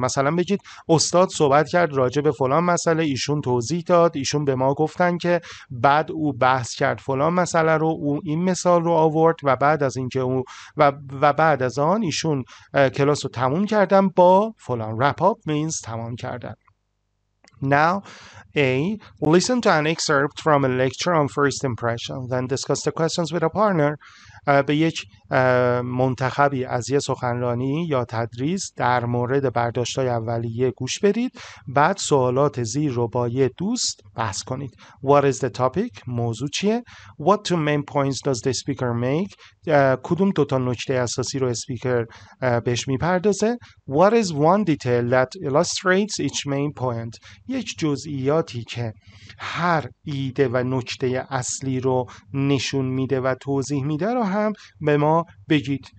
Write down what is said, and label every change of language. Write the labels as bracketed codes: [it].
[fa] مثلا بگید استاد صحبت کرد راجع به فلان مسئله، ایشون توضیح داد، ایشون به ما گفتن که، بعد او بحث کرد فلان مسئله رو، او این مثال رو آورد و بعد از اینکه او و بعد از آن ایشون کلاس رو تموم کردن با فلان. [en] wrap up means [fa] تمام کردن. [en] Now, A, listen to an excerpt from a lecture on first impression, then discuss the questions with a partner. [fa] به یک منتخبی از یه سخنرانی یا تدریس در مورد برداشت‌های اولیه گوش بدید، بعد سوالات زیر رو با یه دوست بحث کنید. [en] What is the topic؟ [fa] موضوع چیه؟ [en] What two main points does the speaker make؟ [fa] کدوم دوتا نکته اساسی رو اسپیکر بهش میپردازه؟ [en] What is one detail that illustrates each main point؟ [fa] یک جزئیاتی که هر ایده و نکته اصلی رو نشون میده و توضیح میده رو هم به ما بگید.